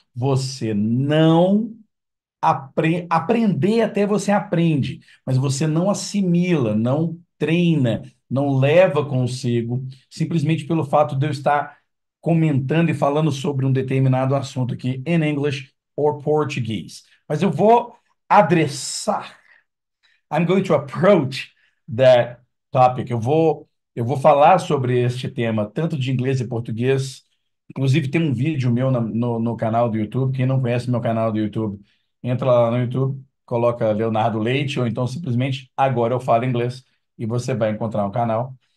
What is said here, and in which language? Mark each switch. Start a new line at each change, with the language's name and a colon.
Portuguese: Você não aprender até você aprende, mas você não assimila, não treina, não leva consigo, simplesmente pelo fato de eu estar comentando e falando sobre um determinado assunto aqui
English: in English or Portuguese.
Portuguese: Mas eu vou adressar.
English: I'm going to approach that topic.
Portuguese: Eu vou falar sobre este tema, tanto de inglês e português. Inclusive, tem um vídeo meu no canal do YouTube. Quem não conhece meu canal do YouTube, entra lá no YouTube, coloca Leonardo Leite, ou então simplesmente Agora Eu Falo Inglês, e você vai encontrar o canal.